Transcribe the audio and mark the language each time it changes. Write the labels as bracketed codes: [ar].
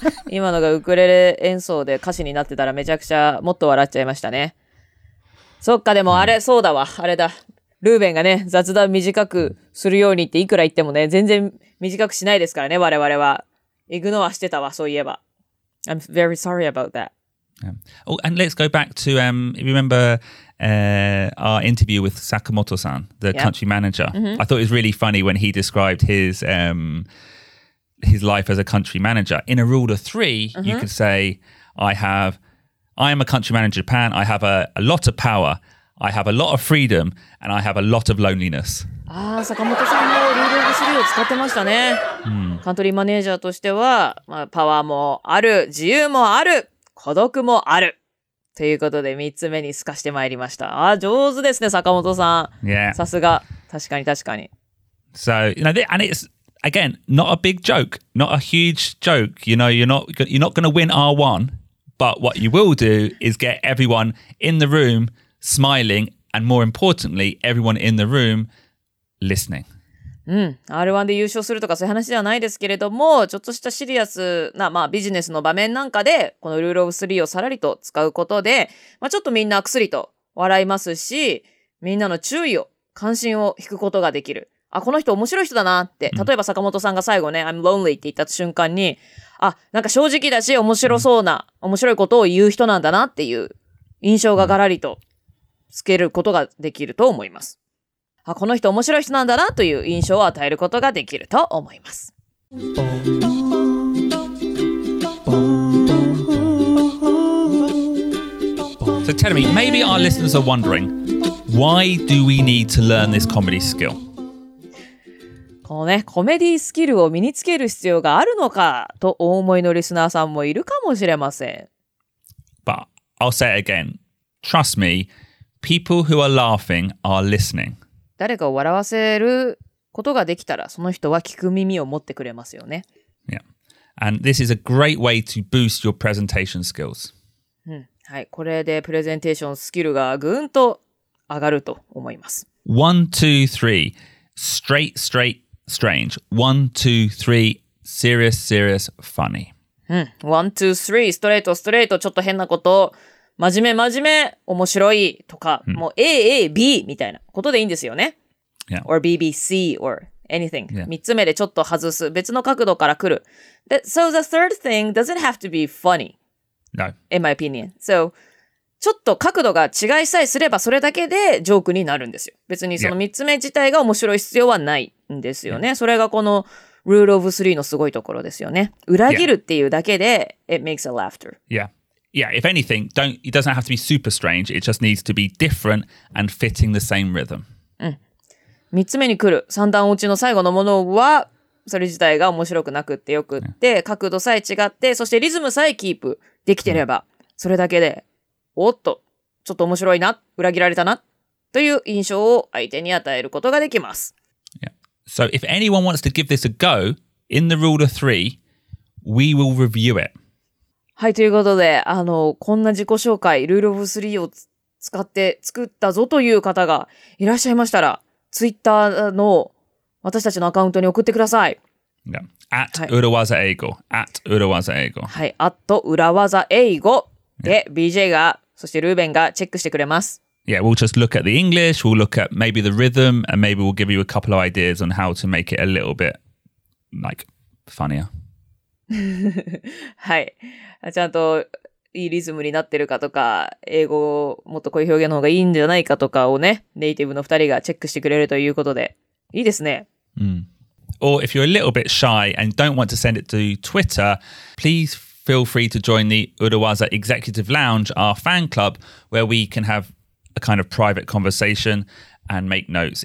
[ja] 今のがウクレレ演奏で歌詞になってたらめちゃくちゃもっと笑っちゃいましたね。そっか、でもあれそうだわ、あれだ。ルーベンがね、雑談短くするようにっていくら言ってもね、全然短くしないですからね、我々は。イグノアしてたわ、そういえば。 [en] I'm very sorry about that. Yeah. Oh, and let's go back to, remember our interview with Sakamoto-san, the country manager. Mm-hmm. I thought it was really funny when he described his life as a country manager. In a rule of three, you could say, I am a country manager in Japan. I have a lot of power. I have a lot of freedom. And I have a lot of loneliness. [ja] Ah, Sakamoto-san もルールオブスリーを使ってましたね。カントリーマネージャーとしては、まあ、パワーもある、自由もある。孤独もあるということで3つ目に透かしてまいりました。あ、上手ですね坂本さん。さすが。確かに。 [en] So, you know, and it's again not a big joke, not a huge joke, you know, you're not going to win R1, but what you will do is get everyone in the room smiling, and more importantly everyone in the room listening. [ja] R1 で優勝するとかそういう話ではないですけれども、ちょっとしたシリアスな、まあ、ビジネスの場面なんかでこのルールオブスリーをさらりと使うことで、まあ、ちょっとみんな薬と笑いますし、みんなの注意を関心を引くことができる。あ、この人面白い人だなって、例えば坂本さんが最後ね [en] I'm lonely [ja] って言った瞬間に、あ、なんか正直だし面白そうな、面白いことを言う人なんだなっていう印象ががらりとつけることができると思います。あ、この人面白い人なんだなという印象を与えることができると思います。 [en] So tell me, maybe our listeners are wondering, why do we need to learn this comedy skill? [ja] このね、コメディスキルを身につける必要があるのかとお思いのリスナーさんもいるかもしれません。 [en] But I'll say it again, trust me, people who are laughing are listening. [ja] 誰かを笑わせることができたら、その人は聞く耳を持ってくれますよね。 [en] Yeah. And this is a great way to boost your presentation skills. [ja] はい、これでプレゼンテーションスキルがぐんと上がると思います。 [en] One, two, three. Straight, straight, strange. One, two, three. Serious, serious, funny. One, two, three. [ja] ストレート、ストレート。ちょっと変なこと。真面目、真面目。面白い。とか。Mm. もう A, A, B みたいなことでいいんですよね。 [en] Yeah. Or B, B, C, or anything. [ja] 三つ目でちょっと外す。別の角度から来る。 [en] So the third thing doesn't have to be funny. No. In my opinion. So... [ja] ちょっと角度が違いさえすればそれだけでジョークになるんですよ。別にその3つ目自体が面白い必要はないんですよね。 Yeah. それがこの Rule of Three のすごいところですよね。裏切るっていうだけで、 [en] yeah. It makes a laughter. Yeah. Yeah, if anything, it doesn't have to be super strange. It just needs to be different and fitting the same rhythm. [ja] うん。3つ目に来る3段落ちの最後のものはそれ自体が面白くなくってよくって、yeah. 角度さえ違ってそしてリズムさえキープできてればそれだけでおっと、ちょっと面白いな、裏切られたな、という印象を相手に与えることができます。 [en] Yeah. So if anyone wants to give this a go, in the rule of three, we will review it. [ja] はい、ということで、こんな自己紹介、ルールオブスリーを使って作ったぞという方がいらっしゃいましたら、ツイッターの私たちのアカウントに送ってください。 [en] Yeah. At 裏技英語。At 裏技英語。 [ja] はい、At 裏技英語。で、BJ が、そしてルーベンがチェックしてくれます。 [en] Yeah, we'll just look at the English, we'll look at maybe the rhythm, and maybe we'll give you a couple of ideas on how to make it a little bit, like, funnier. [ja] はい。ちゃんといいリズムになってるかとか、英語をもっとこういう表現の方がいいんじゃないかとかをね、ネイティブの2人がチェックしてくれるということで、いいですね。 [en] Or if you're a little bit shy and don't want to send it to Twitter, please feel free to join the Urawaza Executive Lounge, our fan club, where we can have a kind of private conversation and make notes.